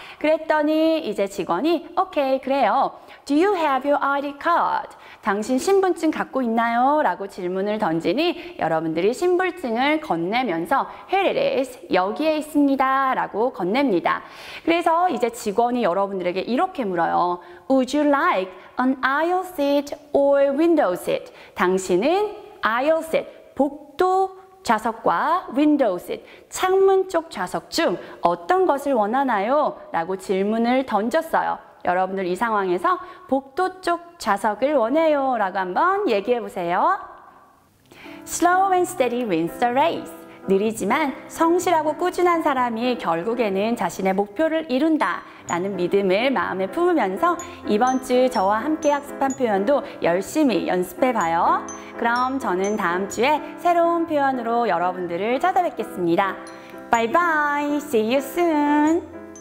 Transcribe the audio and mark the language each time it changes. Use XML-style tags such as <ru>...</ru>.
<ko>그랬더니 이제 직원이 Okay, 그래요.</ko> <en>Do you have your ID card?</en> <ko>당신 신분증 갖고 있나요? 라고 질문을 던지니 여러분들이 신분증을 건네면서</ko> <en>Here it is.</en> <ko>여기에 있습니다. 라고 건넵니다. 그래서 이제 직원이 여러분들에게 이렇게 물어요.</ko> <en>Would you like an aisle seat or window seat?</en> <ko>당신은 aisle seat, 복도 좌석과 window seat, 창문 쪽 좌석 중 어떤 것을 원하나요? 라고 질문을 던졌어요. 여러분들 이 상황에서 복도 쪽 좌석을 원해요 라고 한번 얘기해 보세요.</ko> <en>Slow and steady wins the race.</en> <ko>느리지만 성실하고 꾸준한 사람이 결국에는 자신의 목표를 이룬다 라는 믿음을 마음에 품으면서 이번 주 저와 함께 학습한 표현도 열심히 연습해 봐요. 그럼 저는 다음 주에 새로운 표현으로 여러분들을 찾아뵙겠습니다.</ko> <en>Bye bye. See you soon.</en>